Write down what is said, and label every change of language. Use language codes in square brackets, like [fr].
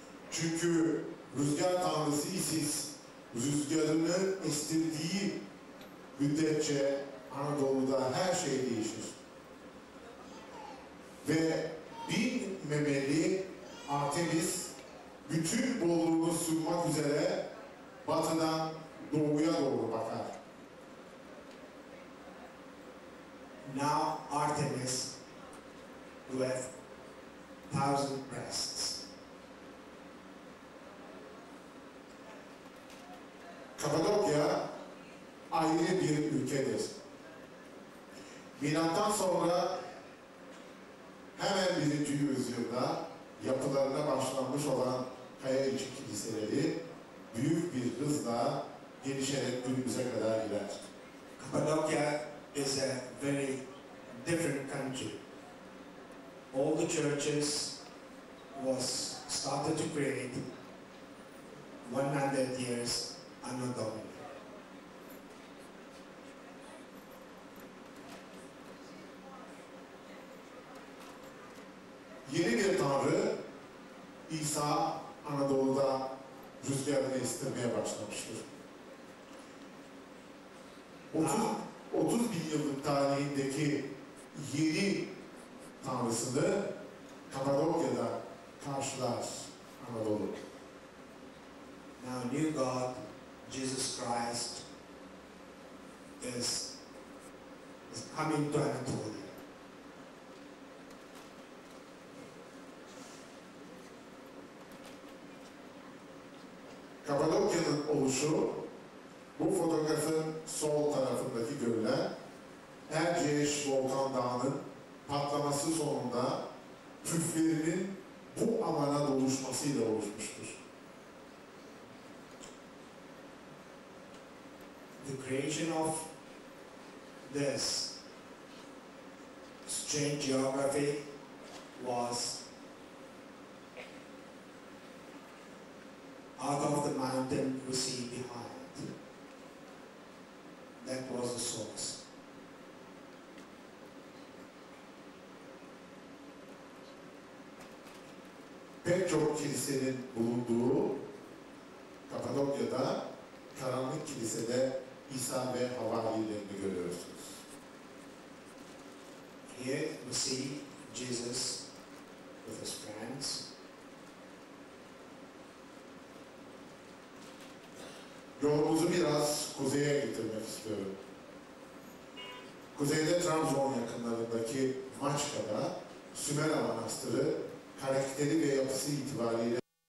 [tr] Çünkü rüzgar tanrısı İsis rüzgarını estirdiği müddetçe Anadolu'da her şey değişir. Ve bin memeli Artemis bütün bolluğunu sunmak üzere batıdan doğuya doğru bakar. [en] Now Artemis with thousand breasts. [tr] Kapadokya ayrı bir ülkedir. Milattan sonra hemen 1. yüzyılda yapılarına başlanmış olan kaya içi kiliseleri büyük bir hızla gelişerek günümüze kadar gider. [en] Kapadokya is a very different country. All the churches was started to create 100 years Anno Domini. [tr] Yeni bir tanrı İsa Anadolu'da rüzgarını estirmeye başlamıştır. 30 bin yıllık tarihindeki yeni tanrısını Kapadokya'da karşılar Anadolu. [en] Now new God, Jesus Christ, is coming to Anatolia. [tr] Kapadokya'nın oluşu bu fotoğrafın sol tarafındaki görülen Erciyes Volkan Dağı'nın patlaması sonunda püflerinin bu alana doluşmasıyla oluşmuştur. [en] The creation of this strange geography was out of the mountain we see behind. That was the source. [tr] Pek çok kilisenin bulunduğu Kapadokya'da karanlık kilisede İsa ve havarilerini görüyorsunuz. [en] Here we see Jesus with his friends. [tr] Yolumuzu biraz kuzeye getirmek istiyorum. Kuzeyde Trabzon yakınlarındaki Maçka'da Sümela Manastırı karakteri ve yapısı itibariyle